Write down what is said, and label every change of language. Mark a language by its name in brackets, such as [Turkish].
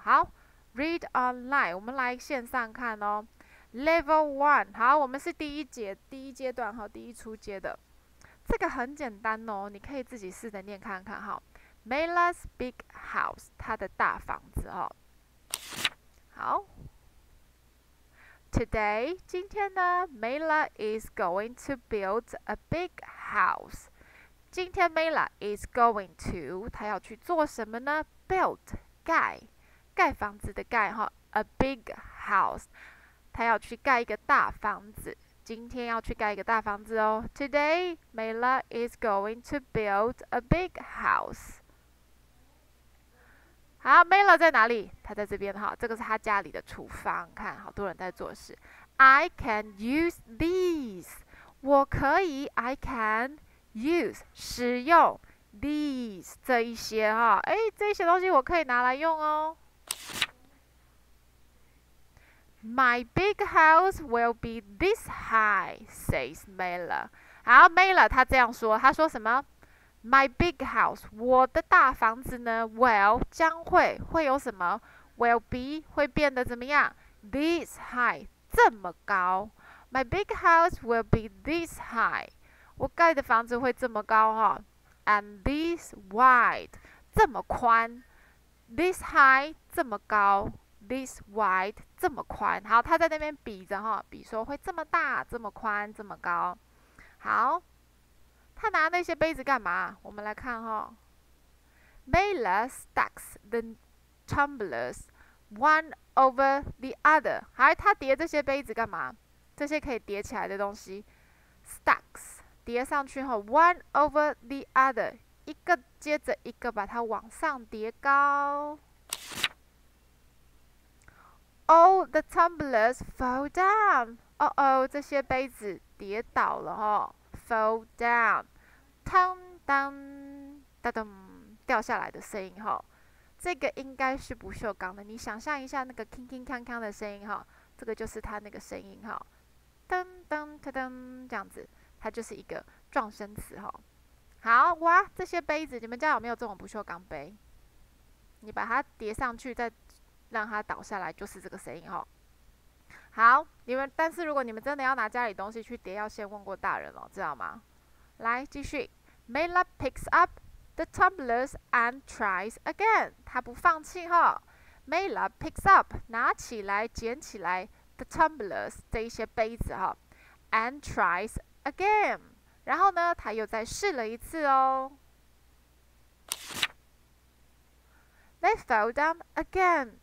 [Chinese] 好 ， [English] read online， [Chinese] 我们来线上看哦。 [English] Level one， [Chinese] 好，我们是第一阶段哈，第一初阶的。这个很简单哦，你可以自己试着念看看哈。 [English] Mela's big house， [Chinese] 他的大房子哦。 [English] 好 ，Today， [Chinese] 今天呢 [English] ，Mela is going to build a big house。 [Chinese] 今天 [English] Mela is going to， [Chinese] 他要去做什么呢 ？Build， 盖房子的盖哈 ， [English] a big house， [Chinese] 他要去盖一个大房子。今天要去盖一个大房子哦。 [English] Today Mela is going to build a big house。 [Chinese] 好 ，Mela 在哪里？他在这边哈，这个是他家里的厨房，看好多人在做事。 [English] I can use these， [Chinese] 我可以 [English] ，I can。 [Chinese] Use 使用 [English] these [Chinese] 这一些哈，哎，这些东西我可以拿来用哦。 [English] My big house will be this high, says Mela. [Chinese] 好 ，Mela 他这样说，他说什么 ？ [English] My big house， [Chinese] 我的大房子呢 ？Will 将会有什么 ？ [English] Will be [Chinese] 会变得怎么样 ？ [English] This high [Chinese] 这么高 ？ [English] My big house will be this high。 [Chinese] 我盖的房子会这么高哈 ， [English] and this wide [Chinese] 这么宽 ， [English] this high [Chinese] 这么高 ， [English] this wide [Chinese] 这么宽。好，他在那边比着哈，比说会这么大、这么宽、这么高。好，他拿那些杯子干嘛？我们来看哈 [English] ，Mela stacks the tumblers one over the other。 [Chinese] 好，他叠这些杯子干嘛？这些可以叠起来的东西 ，stacks。叠上去后 ， [English] one over the other， [Chinese] 一个接着一个把它往上叠高。 [English] All the tumblers fall down。 [Chinese] 这些杯子跌倒了哈 ， [English] fall down， [Chinese] 当当当当掉下来的声音哈。这个应该是不锈钢的，你想象一下那个铿铿锵锵的声音哈，这个就是它那个声音哈，当当当当这样子。它就是一个撞声词哈。好哇，这些杯子，你们家有没有这种不锈钢杯？你把它叠上去，再让它倒下来，就是这个声音哈。好，你们，但是如果你们真的要拿家里东西去叠，要先问过大人哦，知道吗？来，继续。 [English] Mela picks up the tumblers and tries again. [Chinese] 她不放弃哦。 [English] Mela picks up, [Chinese] 拿起来捡起来 [English] the tumblers, [Chinese] 这一些杯子哦。 [English] And tries again. [Chinese] 然后呢她又再试了一次哦。 [English] They fell down again.